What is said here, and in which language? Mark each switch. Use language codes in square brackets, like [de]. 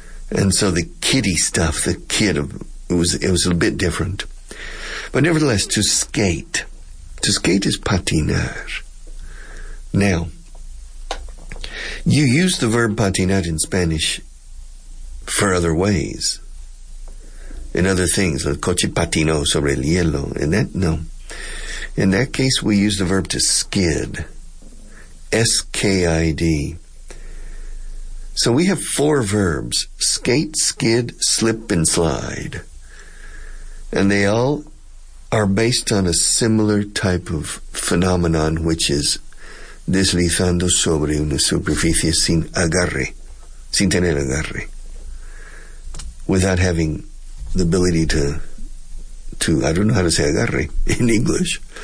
[en] And so the kiddie stuff, it was a bit different. But nevertheless, to skate is patinar. Now, you use the verb patinar in Spanish for other ways. In other things, [es] el coche patinó sobre el hielo. [en] In that case, we use the verb to skid. S-K-I-D. So we have four verbs. Skate, skid, slip, and slide. And they all are based on a similar type of phenomenon, which is [es] deslizando sobre una superficie sin agarre, sin tener agarre, [en] without having the ability to, I don't know how to say agarre in English.